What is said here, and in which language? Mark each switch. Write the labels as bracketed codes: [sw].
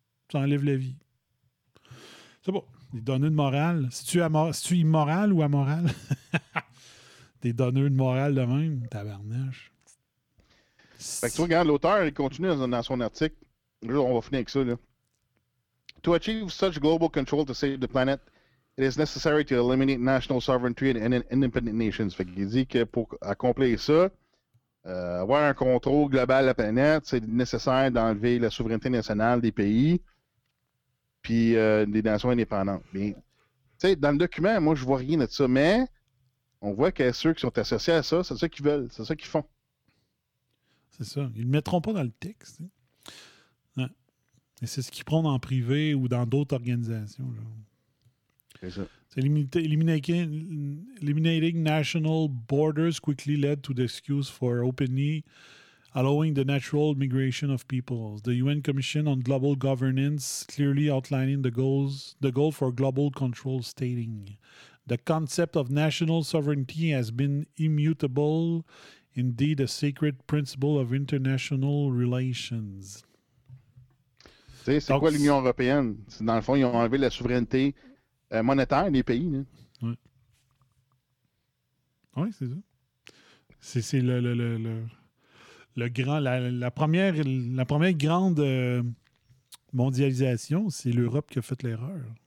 [fr] Ça enlève la vie. C'est bon. Des donneurs de morale. C'est-tu immoral ou amoral? Des donneurs de morale de même. Tabarnache. Fait que tu regardes, l'auteur, il continue dans son article. On va finir avec ça, là. [en] To achieve such global control to save the planet, it is necessary to eliminate national sovereignty and independent nations. [fr] Fait qu'il dit que pour accomplir ça, avoir un contrôle global de la planète, c'est nécessaire d'enlever la souveraineté nationale des pays puis des nations indépendantes. Mais, tu sais, dans le document, moi, je vois rien de ça, mais on voit que ceux qui sont associés à ça, c'est ça qu'ils veulent, c'est ça qu'ils font. C'est ça. Ils ne mettront pas dans le texte. Hein? Et c'est ce qu'ils prennent en privé ou dans d'autres organisations. Genre. C'est ça. C'est [en] eliminating national borders quickly led to the excuse for openly allowing the natural migration of peoples. The UN Commission on Global Governance clearly outlining the goal for global control, stating the concept of national sovereignty has been immutable, indeed a sacred principle of international relations. [fr] T'sais, c'est quoi l'Union européenne? C'est, dans le fond, ils ont enlevé la souveraineté monétaire des pays. Oui. Oui, c'est ça. C'est le grand, la première grande mondialisation, c'est l'Europe qui a fait l'erreur.